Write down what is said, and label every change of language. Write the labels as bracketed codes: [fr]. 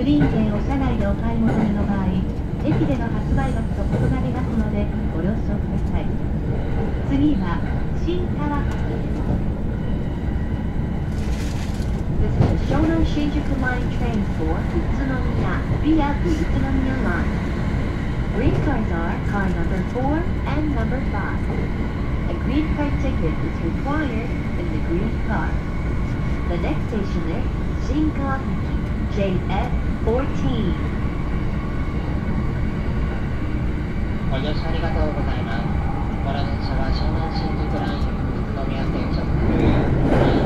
[ja] グリーン券を車内でお買い求めの場合、駅での発売額と異なりますのでご了承ください。次は新川崎です。 [en] 湘南新宿 Line Train for 宇都宮 via 宇都宮 Line. Green cards are car number 4 and number 5. A green card ticket is required in the green car. The next station is 新川崎 JF14. [ja] ご乗車ありがとうございます。この電車は湘南新宿 Line 宇都宮線直通。